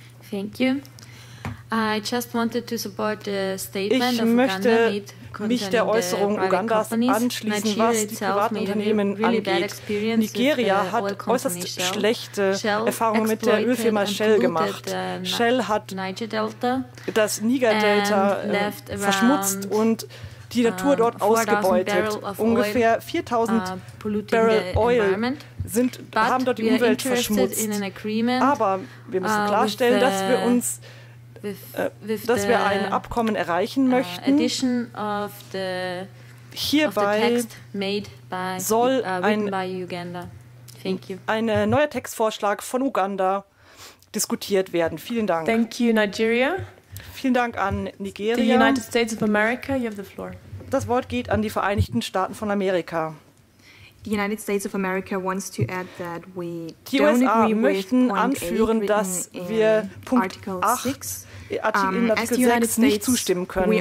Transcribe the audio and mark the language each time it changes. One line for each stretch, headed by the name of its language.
English: Thank you. I just wanted to support the statement
German: ich
English: of Uganda made
German: mich der Äußerung Ugandas anschließen, was die Privatunternehmen angeht. Nigeria hat äußerst schlechte Erfahrungen mit der Ölfirma Shell gemacht. Shell hat das Niger-Delta verschmutzt und die Natur dort ausgebeutet. Ungefähr 4000 Barrel Oil haben dort die Umwelt verschmutzt. Aber wir müssen klarstellen, dass wir uns dass wir ein Abkommen erreichen möchten. Hierbei soll ein neuer Textvorschlag von Uganda diskutiert werden. Vielen Dank.
English: Thank you, Nigeria.
German: Vielen Dank an Nigeria.
English: The United States of America, you have the floor.
German: Das Wort geht an die Vereinigten Staaten von Amerika.
English: The United States of America wants to add that we
German: die USA möchten anführen, dass wir Punkt 8 in Artikel 6 nicht zustimmen können.